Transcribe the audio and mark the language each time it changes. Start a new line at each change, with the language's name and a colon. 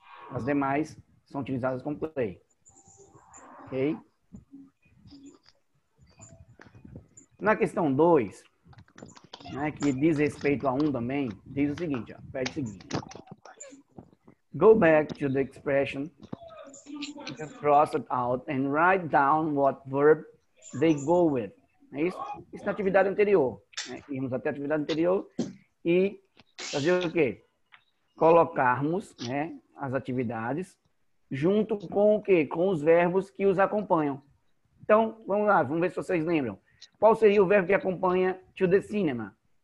Portuguese: As demais são utilizadas com play. Ok? Na questão 2, né, que diz respeito a 1 também, diz o seguinte, ó, pede o seguinte.
English: Go back to the expression, cross it out, and write down what verb they go with.
Portuguese: É isso? Isso na atividade anterior. Né? Irmos até a atividade anterior e fazer o quê? Colocarmos, né, as atividades junto com o quê? Com os verbos que os acompanham. Então, vamos lá, vamos ver se vocês lembram. Qual seria o verbo que acompanha
English: to the cinema?